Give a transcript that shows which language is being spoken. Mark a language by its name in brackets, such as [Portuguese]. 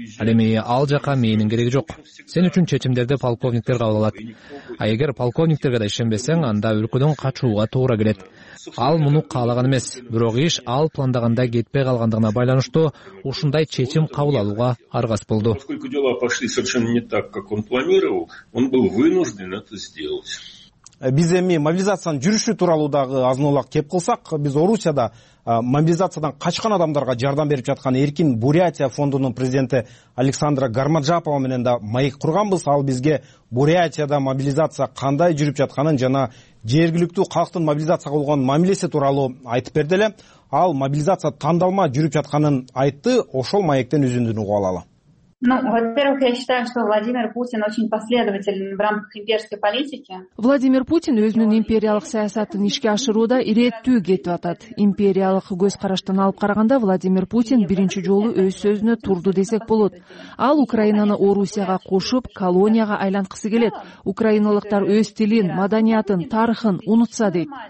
[Kyrgyz] Ал эми ал жака менин кереги жок. Сен үчүн чечимдерди полковниктер кабыл алат. А эгер полковниктерге да ишенбесең, анда өлкөдөн качууга туура келет. Ал муну каалаган эмес, бирок иш ал пландагандай кетпей калгандыгына байланыштуу ушундай чечим кабыл алууга аргас болду. [Russian] Поскольку дела пошли совершенно не так, как он планировал, он был вынужден это сделать. [Kyrgyz] Биз эми мобилизациянын жүрүшү тууралуу дагы азынолак кеп кылсак, биз Орусияда мобилизациядан качкан адамдарга жардам берип жаткан Эркин Бурятия фондунун президенти Александра Гармаджапова менен да маек курганбыз. Ал бизге Бурятияда мобилизация кандай жүрүп жатканын жана жергиликтүү калктын мобилизацияга болгон мамилеси тууралуу айтып берди эле. Ал мобилизация тандалма жүрүп жатканын айтты. Ошол маектен үзүндүн угуп алалы. [Russian] Ну, во-первых, я считаю, что Владимир Путин очень последователен в рамках имперской политики. [Kyrgyz] Владимир Путин өзүнүн империялык саясатын ишке ашырууда иреттүү кетип атат. Империялык көз караштан алып караганда Владимир Путин биринчи жолу өз сөзүнө турду десек болот. Ал Украинаны Орусияга кошуп, колонияга айланткысы келет. Украиналыктар өз тилин, маданиятын, тарыхын унутса дейт.